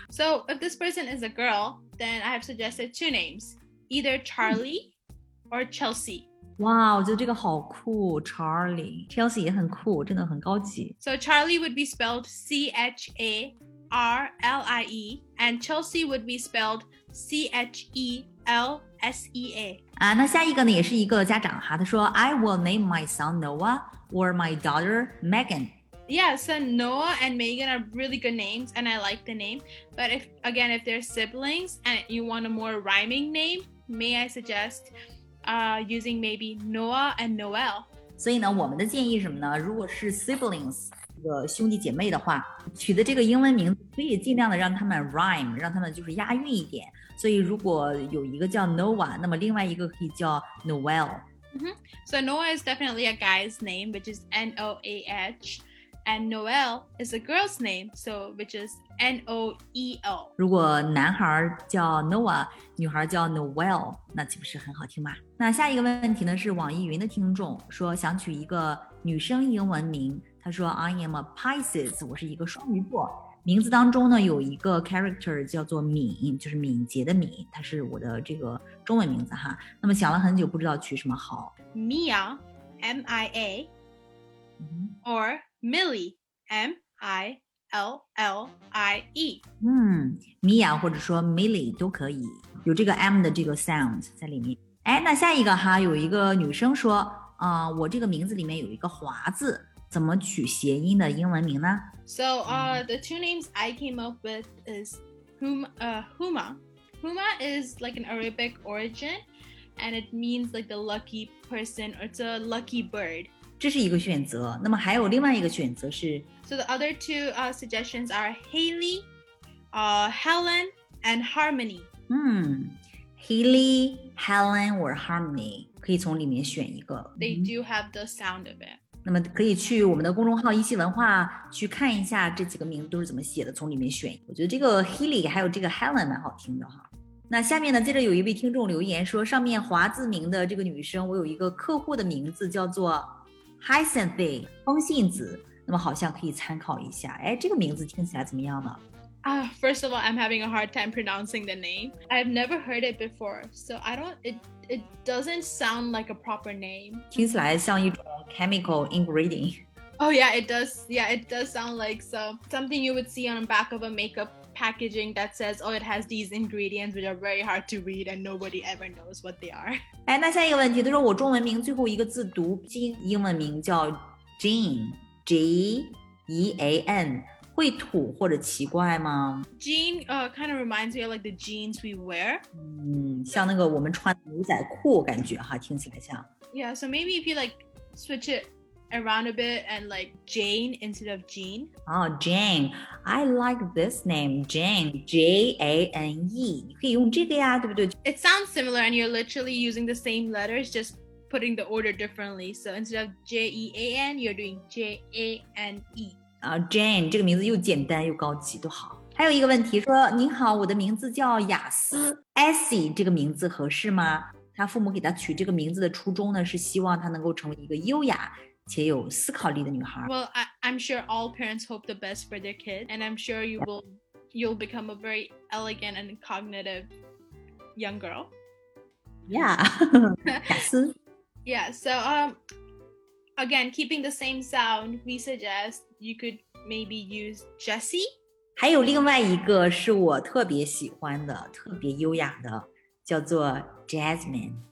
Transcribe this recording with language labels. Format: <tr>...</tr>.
<en>So if this person is a girl, then I have suggested two names, either Charlie or Chelsea.</en> <zh>哇，我觉得这个好酷 ，Charlie，Chelsea 也很酷，真的很高级。</zh> <en>So Charlie would be spelled C H A R L I E, and Chelsea would be spelled C H E L S E A.</en> <zh>啊，那下一个呢，也是一个家长哈，他说 ，</zh> <en>I will name my son Noah or my daughter Megan. Yeah, so Noah and Megan are really good names, and I like the name. But if, again, if they're siblings and you want a more rhyming name, may I suggest using maybe Noah and Noel.</en> <zh>所以呢，我们的建议是什么呢？如果是 siblings 这个兄弟姐妹的话，取的这个英文名可以尽量的让他们 rhyme， 让他们就是押韵一点。所以如果有一个叫 Noah， 那么另外一个可以叫 Noel。 Mm-hmm.</zh> <en>So Noah is definitely a guy's name, which is N-O-A-H, and Noel is a girl's name, so which is N-O-E-L.</en> <zh>如果男孩叫 Noah, 女孩叫 Noel, 那岂不是很好听吗？那下一个问题呢，是网易云的听众说想取一个女生英文名，他说</zh> <en>I am a Pisces,</en> <zh>我是一个双鱼座。名字当中呢有一个</zh> <en>character</en> <zh>叫做敏，就是敏捷的敏，它是我的这个中文名字哈。那么想了很久，不知道取什么好。</zh> <en>Mia, M I A, or Millie, M I L L I E.</en> <zh>Mia 或者说 Millie 都可以，有这个 M 的这个 sound 在里面。哎，那下一个哈，有一个女生说，我这个名字里面有一个华字。怎么取谐音的英文名呢？</zh> <en>So, the two names I came up with is Huma. Huma is like an Arabic origin, and it means like the lucky person, or it's a lucky bird.</en> <zh>这是一个选择，那么还有另外一个选择是？</zh> <en>So the other two suggestions are Haley, Helen, and Harmony.</en> <zh>Haley, Helen, or Harmony, 可以从里面选一个。</zh> <en>They do have the sound of it.</en> <zh>那么可以去我们的公众号一席文化去看一下这几个名字都是怎么写的，从里面选。我觉得这个 Healy 还有这个 Helen 蛮好听的哈。那下面呢，接着有一位听众留言说，上面华字名的这个女生，我有一个客户的名字叫做 Hyacinthy 风信子，那么好像可以参考一下。哎，这个名字听起来怎么样呢？</zh> <en>First of all, I'm having a hard time pronouncing the name. I've never heard it before, so it doesn't sound like a proper name.</en> <zh>听起来像一种</zh> <en>chemical ingredient. Oh yeah, it does. Yeah, it does sound like something you would see on the back of a makeup packaging that says, oh, it has these ingredients which are very hard to read and nobody ever knows what they are.</en> <zh>哎，那下一个问题，他说我中文名最后一个字读音，英文名叫 Jean, J-E-A-N. 会土或者奇怪吗</zh> <en>？Jean, kind of reminds me of like the jeans we wear.</en> <zh>像那个我们穿牛仔裤感觉哈，听起来像。</zh> <en>Yeah, so maybe if you like switch it around a bit and like Jane instead of Jean. Oh, Jane, I like this name, Jane, J A N E.</en> <zh>你可以用这个呀，对不对</zh> <en>？It sounds similar, and you're literally using the same letters, just putting the order differently. So instead of J E A N, you're doing J A N E.</en> <zh>Jane 这个名字又简单又高级，多好。还有一个问题说，您好，我的名字叫雅思 ，Essie 这个名字合适吗？他父母给他取这个名字的初衷呢，是希望他能够成为一个优雅且有思考力的女孩。</zh> <en>Well, I'm sure all parents hope the best for their kid, and I'm sure you'll become a very elegant and cognitive young girl. Yeah, 雅思。 Yeah, so again, keeping the same sound, we suggest. You could maybe use Jessie.</en> <zh>还有另外一个是我特别喜欢的，特别优雅的，叫做 Jasmine.</zh>